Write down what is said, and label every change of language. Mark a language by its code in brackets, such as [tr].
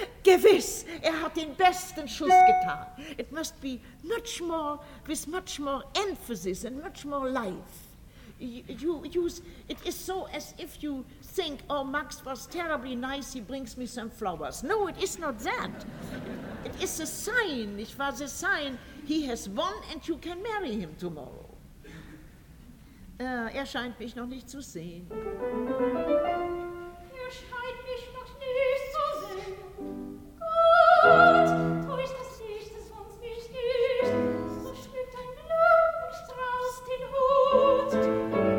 [de] Gewiss, er hat den besten Schuss getan. [en] It must be much more, with much more emphasis and much more life. It is so as if you think, oh, Max was terribly nice, he brings me some flowers. No, it is not that. It is a sign, [de] nicht wahr, [en] the sign, he has won and you can marry him tomorrow. [de] Er scheint mich noch nicht zu sehen. Er scheint mich noch nicht zu sehen. Gott, täuscht das Licht, das wohnt mich nicht. So schmückt ein Blumenstrauß den Hut.